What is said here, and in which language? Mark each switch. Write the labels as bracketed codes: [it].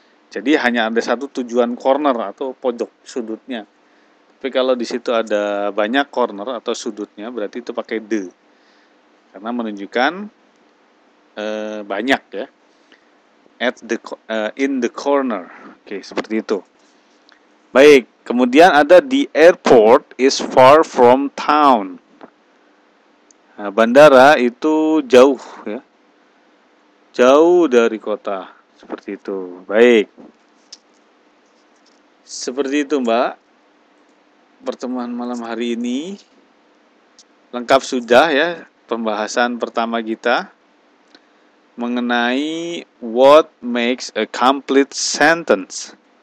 [id] Jadi hanya ada satu tujuan corner atau pojok sudutnya. Tapi kalau di situ ada banyak corner atau sudutnya berarti itu pakai the. Karena menunjukkan banyak ya. At the in the corner. Oke, seperti itu. Baik, kemudian ada [en] the airport is far from town. [id] Nah, bandara itu jauh ya. Jauh dari kota, seperti itu. Baik. Seperti itu, Mbak. Pertemuan malam hari ini lengkap sudah ya pembahasan pertama kita mengenai [en] what makes a complete sentence.